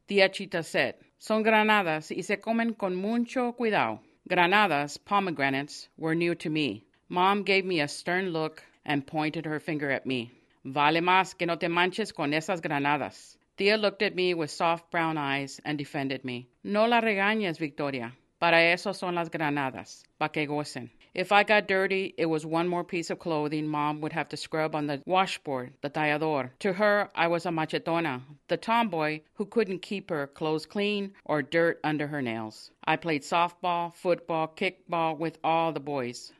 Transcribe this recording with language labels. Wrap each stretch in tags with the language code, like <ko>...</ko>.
<en>Tia Chita said,</en> <es>"Son granadas y se comen con mucho cuidado."</es> <en>Granadas, pomegranates, were new to me. Mom gave me a stern look and pointed her finger at me.</en> <es>"Vale más que no te manches con esas granadas."</es> <en>Tia looked at me with soft brown eyes and defended me.</en> <es>"No la regañes, Victoria. Para eso son las granadas, pa' que gocen."</es> <en>If I got dirty, it was one more piece of clothing Mom would have to scrub on the washboard, the tallador. To her, I was a machetona, the tomboy who couldn't keep her clothes clean or dirt under her nails. I played softball, football, kickball with all the boys.</en>